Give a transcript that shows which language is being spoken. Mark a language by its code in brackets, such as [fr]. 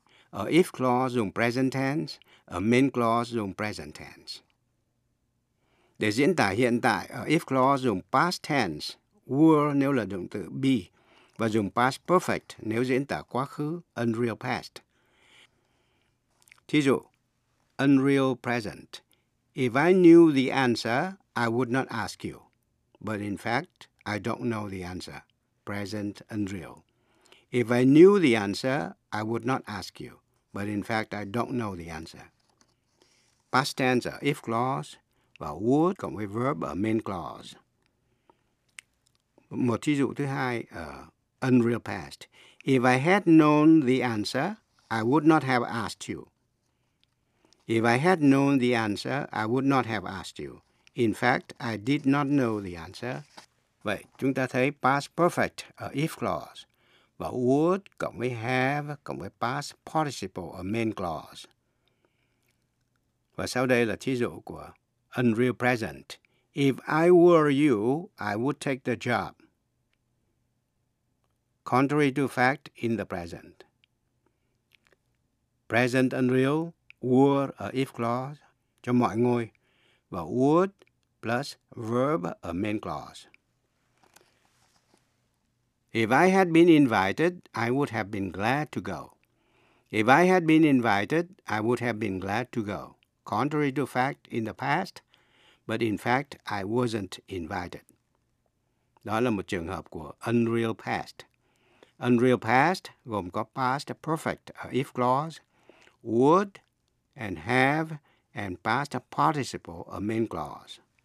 [vi] Ở if clause dùng present tense, ở main clause dùng present tense. Để diễn tả hiện tại, ở if clause dùng past tense, were nếu là động từ be, và dùng past perfect nếu diễn tả quá khứ, unreal past. Thí dụ, unreal present. [en] If I knew the answer, I would not ask you. But in fact, I don't know the answer. Present unreal. If I knew the answer, I would not ask you. But in fact, I don't know the answer. [vi] Past tense ở if clause và would cộng với verb ở main clause. Một thí dụ thứ hai ở unreal past. [en] If I had known the answer, I would not have asked you. If I had known the answer, I would not have asked you. In fact, I did not know the answer. [vi] Vậy, chúng ta thấy past perfect ở if clause và would cộng với have cộng với past participle ở main clause. Và sau đây là thí dụ của unreal present. [en] If I were you, I would take the job. Contrary to fact in the present. [vi] Present unreal, were a if clause cho mọi người và would plus verb a main clause. [en] If I had been invited, I would have been glad to go. If I had been invited, I would have been glad to go. Contrary to fact in the past, but in fact, I wasn't invited. [vi] Đó là một trường hợp của unreal past. Unreal past gồm có past perfect, a if clause, would and have, and past participle, a main clause.